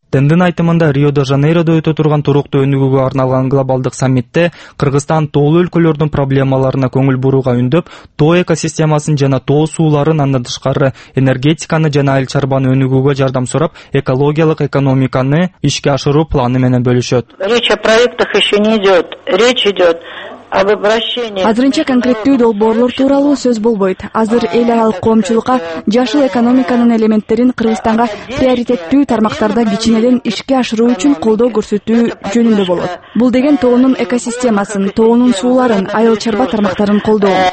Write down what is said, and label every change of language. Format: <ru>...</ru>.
<ky>Тендин айтымында Рио-де-Жанейрода өтө турган туруктуу өнүгүүгө арналган глобалдык саммитте Кыргызстан тоолуу өлкөлөрдүн проблемаларына көңүл бурууга үндөп, тоо экосистемасын жана тоо сууларын андан тышкары энергетиканы жана айыл чарбаны өнүгүүгө жардам сурап, экологиялык экономиканы ишке ашыруу планы менен бөлүшөт.</ky> <ru>Речь о проектах еще не идет. Речь идет об обращении.</ru> <ky>Азырынча конкреттүү долбоорлор тууралуу сөз болбойт. Азыр эл аралык коомчулукка жашыл экономиканын элементтерин Кыргызстанга приоритеттүү тармактарда кичинеден ишке ашыруу үчүн колдоо көрсөтүү жөнүндө болот. Бул деген тоонун экосистемасын, тоонун сууларын, айыл чарба тармактарын колдоо.</ky>